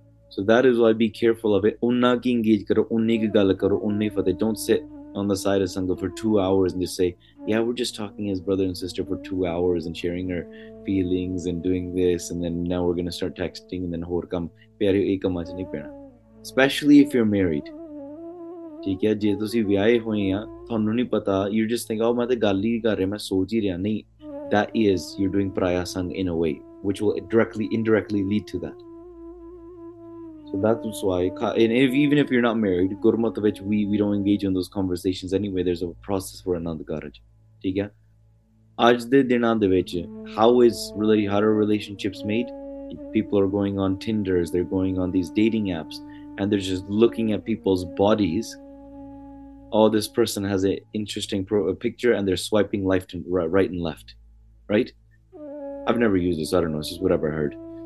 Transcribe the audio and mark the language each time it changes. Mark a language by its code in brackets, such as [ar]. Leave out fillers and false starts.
[en] So that is why be careful of it. Don't sit on the side of Sangha for 2 hours and just say, yeah, we're just talking as brother and sister for 2 hours and sharing our feelings and doing this, and then now we're going to start texting and then [pa] hor kam pyar ek kam ch nahi pehna. [en] Especially if you're married. [pa] ਠੀਕ ਹੈ ਜੇ ਤੁਸੀਂ ਵਿਆਹੇ ਹੋਏ ਆ ਤੁਹਾਨੂੰ ਨਹੀਂ ਪਤਾ [en] you just think [pa] ਓ ਮੈਂ ਤਾਂ ਗੱਲ ਹੀ ਕਰ ਰਿਹਾ ਮੈਂ ਸੋਚ ਹੀ ਰਿਹਾ ਨਹੀਂ [en] that is you doing ਪਰਾਇਆ ਸੰਗ in a way which will directly indirectly lead to that so that is why and if even if you are not married [pa] ਗੁਰਮਤ ਵਿੱਚ we [en] don't engage in those conversations anyway there is a process for Anand Karaj [pa] ਠੀਕ ਹੈ ਅੱਜ ਦੇ ਦਿਨਾਂ ਦੇ ਵਿੱਚ [en] How is really how are relationships made people are going on Tinders they are going on these dating apps And they're just looking at people's bodies. Oh, this person has an interesting picture and they're swiping left and right and left. Right? I've never used this. I don't know. It's just whatever I heard.